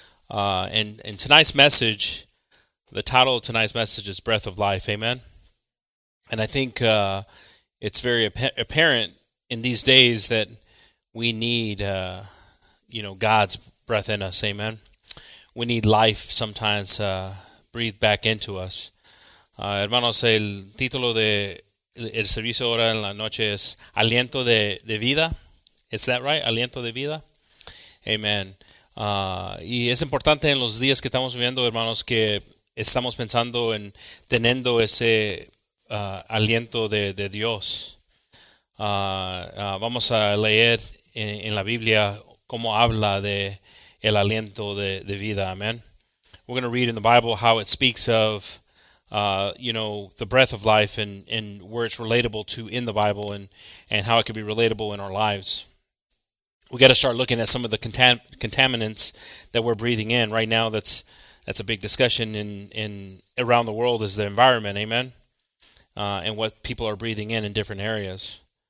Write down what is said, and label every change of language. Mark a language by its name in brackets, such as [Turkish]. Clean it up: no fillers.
[English] And tonight's message, the title of tonight's message is Breath of Life, amen? And I think it's very apparent in these days that we need, God's breath in us, amen? We need life sometimes, breathe back into us. [Spanish] Hermanos, el título de el servicio ahora en la noche es Aliento de Vida. [English] Is that right? [Spanish] Aliento de Vida. Amen. Y es importante en los días que estamos viviendo, hermanos, que estamos pensando en teniendo ese aliento de Dios. Vamos a leer en la Biblia cómo habla de el aliento de vida. Amen. [English] We're going to read in the Bible how it speaks of, the breath of life and where it's relatable to in the Bible and how it could be relatable in our lives. We got to start looking at some of the contaminants that we're breathing in right now. That's a big discussion in around the world is the environment, amen, and what people are breathing in different areas.